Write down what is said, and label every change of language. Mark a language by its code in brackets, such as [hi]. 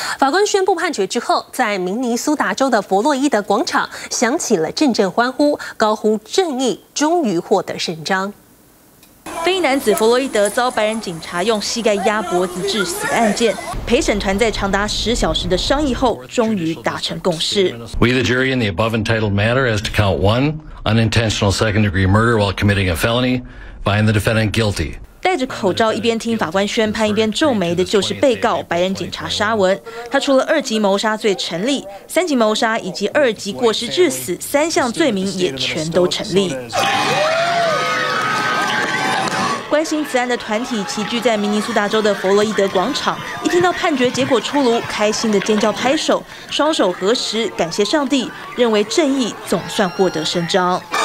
[zh] 法官宣布判决之后，在明尼苏达州的佛洛伊德广场响起了阵阵欢呼，高呼正义终于获得伸张。非裔男子佛洛伊德遭白人警察用膝盖压脖子致死的案件，陪审团在长达十小时的商议后，终于达成共识。 [en] We the jury in the above entitled matter as to count one unintentional second degree murder while committing a felony find the defendant guilty。 [zh] 戴着口罩一边听法官宣判一边皱眉的就是被告白人警察沙文，他除了二级谋杀罪成立，三级谋杀以及二级过失致死三项罪名也全都成立。关心此案的团体齐聚在明尼苏达州的佛洛伊德广场，一听到判决结果出炉，开心的尖叫拍手，双手合十感谢上帝，认为正义总算获得伸张。